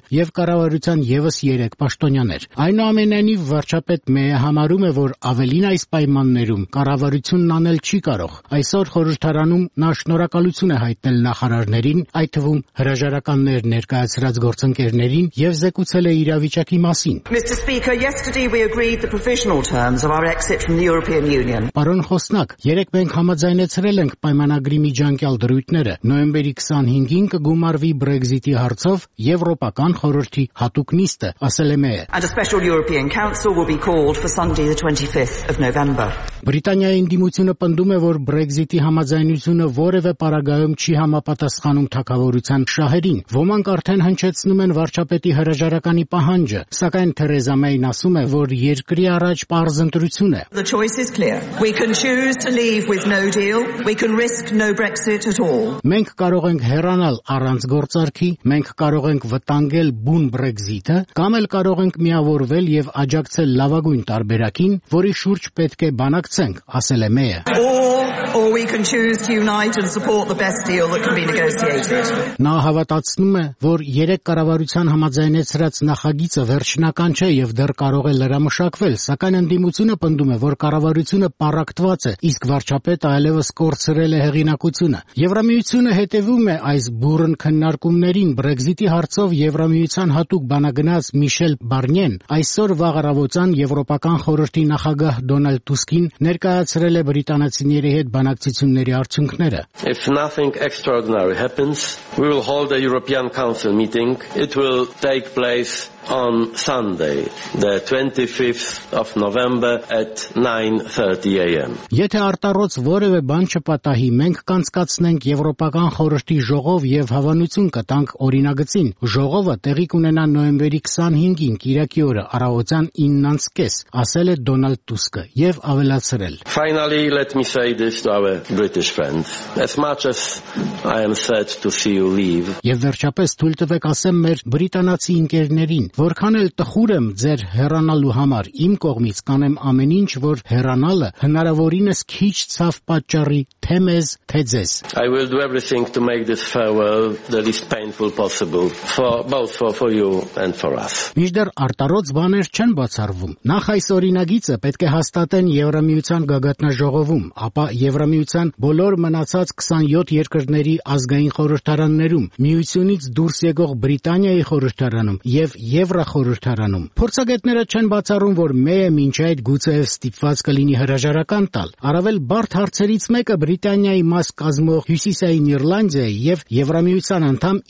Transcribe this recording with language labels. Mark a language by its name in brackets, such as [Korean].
[Armenian] և կառավարության ևս 3 պաշտոնյաներ։ Այնուամենայնիվ վարչապետ Մեյը համարում է, որ ավելին այս պայմաններում կառավարությունն անել չի կարող։ Այսօր խորհրդարանում նա շնորհակալություն է հայտնել նախարարներին, այդ թվում հրաժարականներ ներկայացրած գործընկերներին, և զեկուցել է իրավիճակի մասին։ Պարոն Խոսնակ, Երեք մենք համաձայնեցրել ենք պայմանագրի միջանկյալ դրույթները նոյեմբերի 25-ին կգումարվի Brexit-ի հարցով Եվրոպական խորհրդի հատուկ նիստը, ասել է Մեյը. [English] And a special European Council will be called for Sunday the 25th of November. [Armenian] Բրիտանիայի ընդդիմությունը պնդում է, որ Brexit-ի համաձայնությունը որևէ պարագայում չի համապատասխանում թակավորության շահերին։ Ոմանք արդեն հնչեցնում են վարչապետի հրաժարականի պահանջը, սակայն Թերեզա Մեյն ասում է, որ երկրի առաջ պարզ ընտրություն է. [English] The choice is clear. We can choose to leave with no deal. We can risk no Brexit at all. [Armenian] Մենք կարող ենք հեռանալ առանց գործարքի, մենք կարող ենք վտանգել բուն Brexit-ը, կամ էլ կարող ենք միավորվել եւ աջակցել լավագույն տարբերակին, որի շուրջ պետք է բանակցենք, ասել է Մեյը. [English] Or we can choose to unite and support the best deal that can be negotiated. [Armenian] Նա հավատացնում է, որ երեք կառավարության համաձայնեցրած նախագիծը վերջնական չէ եւ դեռ կարող է լրամշակվել, սակայն ընդդիմությունը պնդում է, որ կառավարությունը պարակտված է, իսկ վարչապետը այլևս կորցրել է հեղինակությունը։ Եվրամիությունը հետևում է այս բուրըն քննարկումներին Brexit-ի հարցով Եվրամիության հատուկ բանագնաց Միշել Բարնիեն այսօր վաղարավոցան Եվրոպական խորհրդի նախագահ Դոնալդ Տուսկին ներկայացրել է բրիտանացիների հետ բանակցությունների արդյունքները։ [English] If nothing extraordinary happens, we will hold a European Council meeting. It will take place on Sunday, the 25th of November at 9:30 AM. [Armenian] Եթե արտարոց որևէ բան չպատահի, մենք կանցկացնենք Եվրոպական խորհրդի ժողով եւ հավանություն կտանք օրինագծին։ Ժողովը տեղի կունենա նոյեմբերի 25-ին, կիրակի օրը, առավոտյան 9:00-ից, ասել է Դոնալդ Տուսկը եւ ավելացրել. [English] Finally, let me say this to our British friends. As much as I am sad to see you leave. [Armenian] Եվ վերջապես թույլ տվեք ասեմ մեր բրիտանացի ընկերներին, որքան էլ տխուր եմ ձեր հեռանալու համար, իմ կողմից կանեմ ամեն ինչ, որ հեռանալը հնարավորինս քիչ ցավ պատճառի թե մեզ, թե ձեզ. [English] I will do everything to make this farewell the least painful possible for both for you and for us. [Armenian] Միջդեռ արտարոց բաներ չեն բացառվում։ Նախ այս օրինագիծը պետք է հաստատեն Եվրամիության գագաթնաժողովում, ապա Եվրամիության բոլոր մնացած 27 երկրների ազգային խորհրդարաններում, միությունից դուրս եկող Բրիտանիայի խորհրդարանում եւ Եվրախորհրդարանում փորձագետները չեն բացառում, որ Մեյը մինչ այդ գուցե ստիպված կլինի հրաժարական տալ։ Առավել բարդ հարցերից մեկը Բրիտանիայի մաս կազմող Հյուսիսային Իռլանդիայի եւ Եվրամիության անդամ